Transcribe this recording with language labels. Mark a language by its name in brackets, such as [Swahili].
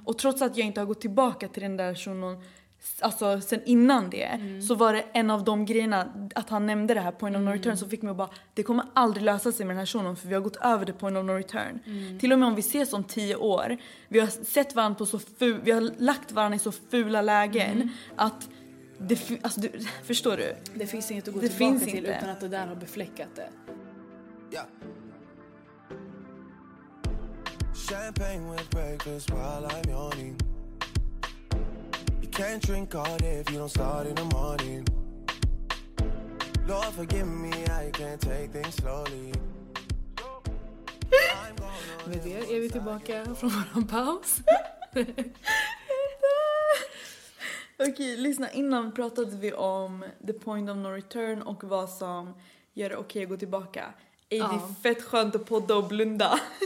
[Swedish] Och trots att jag inte har gått tillbaka till den där shunon, alltså sen innan det, så var det en av de grejerna att han nämnde det här [English] point of no return [Swedish] som fick mig att bara, det kommer aldrig lösa sig med den här shunon, för vi har gått över det point of no return. Mm. Till och med om vi ses om 10 år, vi har sett varandra på vi har lagt varandra i så fula lägen att alltså, förstår du? Det finns inget att gå tillbaka till utan att det där har befläckat det. Ja. [English] Champagne with breakfast while I'm yawning. Can't drink all day if you don't start in the morning. Lord forgive me, I can't take things slowly. [Swedish] Med det är vi tillbaka från våran paus. Okej, lyssna, innan pratade vi om [English] the point of no return [Swedish] och vad som gör det okej att gå tillbaka. Är det fett skönt att podda och blunda?